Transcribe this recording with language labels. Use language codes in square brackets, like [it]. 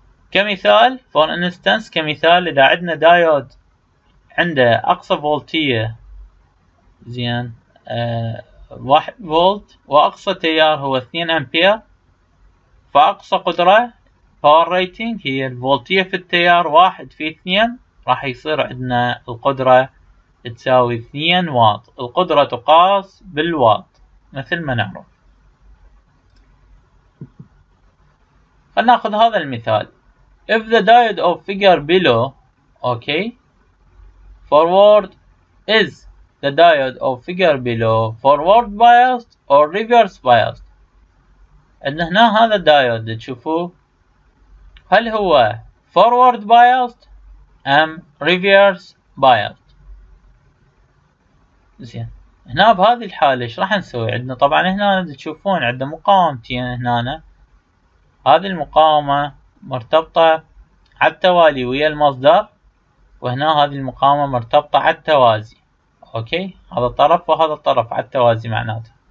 [ar] كمثال فور انستنس، كمثال إذا عندنا دايود عنده أقصى فولتية زين 1 فولت وأقصى تيار هو 2 أمبير، فأقصى قدرة power rating هي الفولتية في التيار 1 في 2، راح يصير عندنا القدرة تساوي 2 واط. القدرة تقاس بالواط مثل ما نعرف. فلنأخذ هذا المثال. [en] If the diode of figure below, okay, forward is the diode of figure below forward biased or reverse biased. [ar] عندنا هنا هذا الدايود تشوفوه، هل هو forward biased أم reverse biased؟ زين، هنا بهذه الحالة إيش راح نسوي؟ عندنا طبعاً هنا تشوفون عندنا مقاومتين هنا، هذه المقاومة مرتبطة على التوالي ويا المصدر، وهنا هذه المقاومة مرتبطة على التوازي، أوكي؟ هذا الطرف وهذا الطرف على التوازي معناته.